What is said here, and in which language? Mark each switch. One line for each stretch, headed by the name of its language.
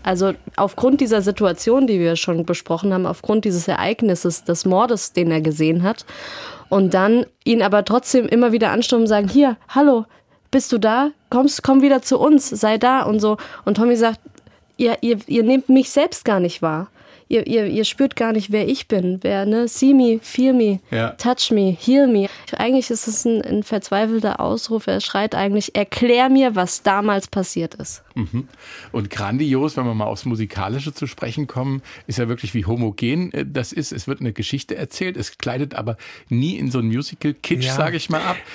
German: Also aufgrund dieser Situation, die wir schon besprochen haben, aufgrund dieses Ereignisses, des Mordes, den er gesehen hat, und dann ihn aber trotzdem immer wieder anstürmen und sagen, hier, hallo, bist du da? Komm wieder zu uns, sei da und so. Und Tommy sagt, ihr nehmt mich selbst gar nicht wahr. Ihr spürt gar nicht, wer ich bin, wer, ne?
English: See me, feel me, touch me, heal me.
German: Eigentlich ist es ein verzweifelter Ausruf. Er schreit eigentlich, erklär mir, was damals passiert ist. Und grandios, wenn wir mal aufs Musikalische zu sprechen kommen, ist ja wirklich, wie homogen das ist. Es wird eine Geschichte erzählt, es kleidet aber nie in so ein Musical-Kitsch, sage ich mal, ab.